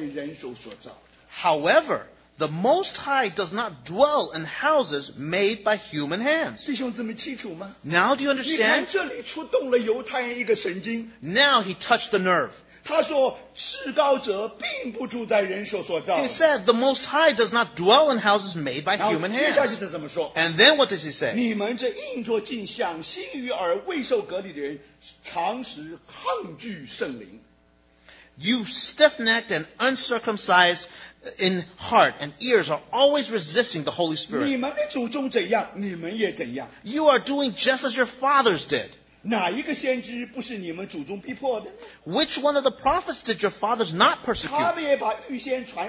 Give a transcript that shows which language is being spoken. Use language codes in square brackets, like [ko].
[en] However, the Most High does not dwell in houses made by human hands. [zh] 弟兄这么清楚吗? [en] Now do you understand? [zh] 你看这里触动了犹太人一个神经。 [en] Now he touched the nerve. [zh] 他说至高者并不住在人手所造。 [en] He said the Most High does not dwell in houses made by human hands. [zh] 然后接下去他怎么说? [en] And then what does he say? [zh] 你们这硬着镜像心于而未受割礼的人常时抗拒圣灵。 [en] You stiff-necked and uncircumcised in heart and ears are always resisting the Holy Spirit. [zh] 你们的祖宗怎样,你们也怎样。 [en] You are doing just as your fathers did. [zh] 哪一个先知不是你们祖宗逼迫的? [en] Which one of the prophets did your fathers not persecute?